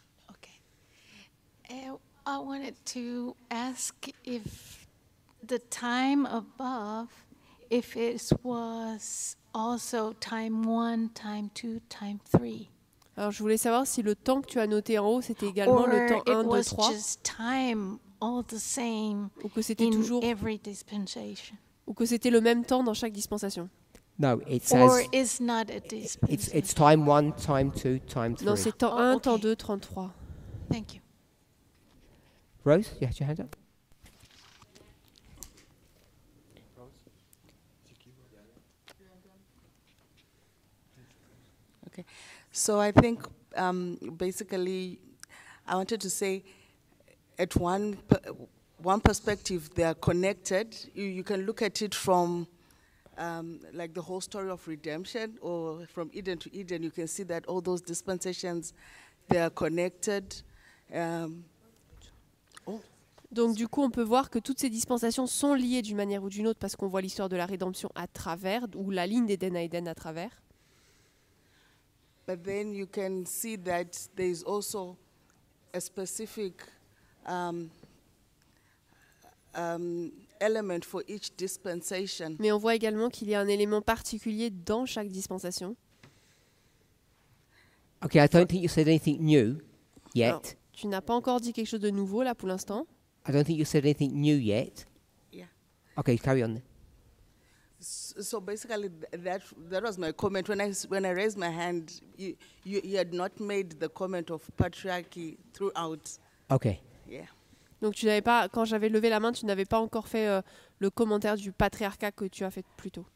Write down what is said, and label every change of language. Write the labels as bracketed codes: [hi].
[en] Okay. I wanted to ask if the time above, if it was also time 1, time 2, time 3. [fr] Alors je voulais savoir si le temps que tu as noté en haut c'était également [en] or [fr] le temps 1, 2, 3. [en] Or it was just time all the same. [fr] Ou que c'était [en] in [fr] toujours [en] every dispensation. [fr] Ou que c'était le même temps dans chaque dispensation. [en] No, it says or is not a dispensation. It's time 1, time 2, time 3. [fr] Non, c'est temps 1, okay. Temps 2, temps 3. [en] Thank you. Rose, you had your hand up. So I think basically I wanted to say at one perspective they are connected. You can look at it from like the whole story of redemption or from Eden to Eden. You can see that all those dispensations, they are connected. Donc du coup on peut voir que toutes ces dispensations sont liées d'une manière ou d'une autre parce qu'on voit l'histoire de la rédemption à travers ou la ligne d'Eden à Eden à travers. But then you can see that there is also a specific element for each dispensation. Mais on voit également qu'il y a un élément particulier dans chaque dispensation. Okay, I don't think you said anything new yet. No. [fr] Tu n'as pas encore dit quelque chose de nouveau là pour l'instant. [en] I don't think you said anything new yet. Yeah. Okay, carry on. So basically, that was my comment when I raised my hand. You had not made the comment of patriarchy throughout. Okay. Yeah. [fr] Donc tu n'avais pas quand j'avais levé la main, tu n'avais pas encore fait le commentaire du patriarcat que tu as fait plus tôt.